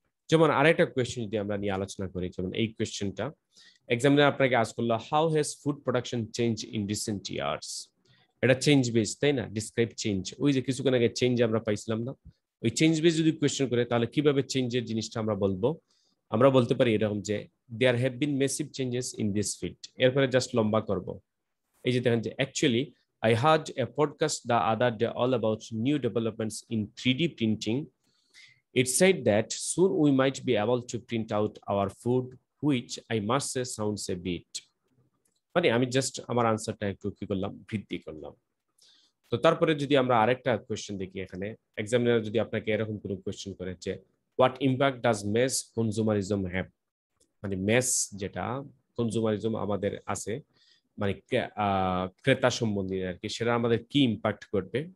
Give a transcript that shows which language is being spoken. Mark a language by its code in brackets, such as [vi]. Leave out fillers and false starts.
[bn] যেমন আরেকটা কোয়েশ্চেন যদি আমরা নিয়ে আলোচনা করি, যেমন এই কোয়েশ্চেনটা এক্সামিনার আপনাকে আস করলো, [en] how has food production change in recent years, [bn] এটা চেঞ্জ বেস তাই না, ডিসক্রাইব চেঞ্জ, ওই যে কিছুক্ষণ আগে চেঞ্জ আমরা পাইছিলাম না, ওই চেঞ্জ বেস যদি কোয়েশ্চেন করে তাহলে কিভাবে চেঞ্জের জিনিসটা আমরা বলবো, আমরা বলতে পারি এরকম যে [en] there have been massive changes in this field, [bn] এরপরে জাস্ট লম্বা করব। এই যে দেখেন যে actually [en] I heard a podcast the other day all about new developments in 3D printing. It said that soon we might be able to print out our food, which I must say sounds a bit. [bn] মানে আমি just আমার আনসারটা একটু কি করলাম, বৃদ্ধি করলাম। তো তারপরে যদি আমরা আরেকটা কোয়েশ্চেন দেখি, এখানে এক্সামিনার যদি আপনাকে এরকম কোনো কোয়েশ্চেন করে যে [en] what impact does mass consumerism have, [bn] মানে মেস যেটা কনজুমারিজম আমাদের আছে, মানে ক্রেতা সম্বন্ধে আর কি, সেটা আমাদের কি ইম্প্যাক্ট করবে।